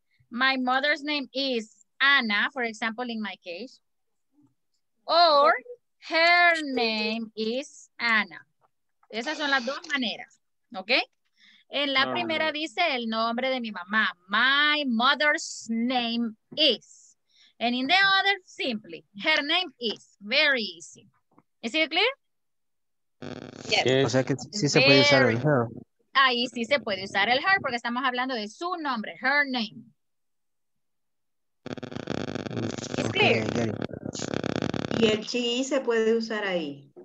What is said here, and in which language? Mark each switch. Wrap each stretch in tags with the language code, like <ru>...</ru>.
<en>My mother's name is Anna, for example, in my case. Or her name is Anna.</en> <es>Esas son las dos maneras. ¿Ok? En la primera dice el nombre de mi mamá.</es> <en>My mother's name is. And in the other, simply, her name is. Very easy. Is it clear? Yes.</en> <es>O sea que sí se puede usar el her. Ahí sí se puede usar el her porque estamos hablando de su nombre,</es> <en>her name. Is clear?</en> <es>Y el she se puede usar ahí.</es>